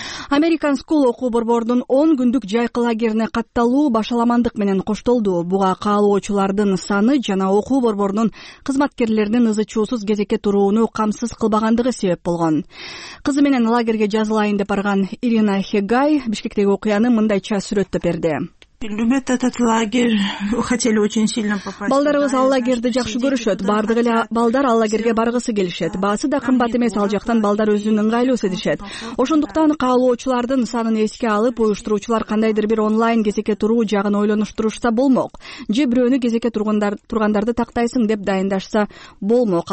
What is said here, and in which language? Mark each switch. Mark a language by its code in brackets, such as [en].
[ky] Американ Скул окуу борборунун 10 күндүк жайкы лагерине катталуу башаламандык менен коштолду. Буга каалоочулардын саны жана окуу борборунун кызматкерлеринин ызы чуусуз кезекке турууну камсыз кылбагандыгы себеп болгон. Кызы менен лагерге жазылайын деп барган Ирина Хегай Бишкектеги окуяны мындайча сүрөттөп берди. [ru] Любят этот лагерь, хотели очень сильно попасть. [ky] Балдарыбыз ал лагерди жакшы көрүшөт. Бардык эле балдар ал лагерге баргысы келишет. Баасы да кымбат эмес, ал жактан балдар өзүн ыңгайлуу сезишет. Ошондуктан каалоочулардын санын эске алып, уюштуруучулар кандайдыр бир онлайн кезекке туруу жагын ойлонуштурушса болмок. Же бирөөнү кезекке тургандарды тактайсың деп дайындашса болмок.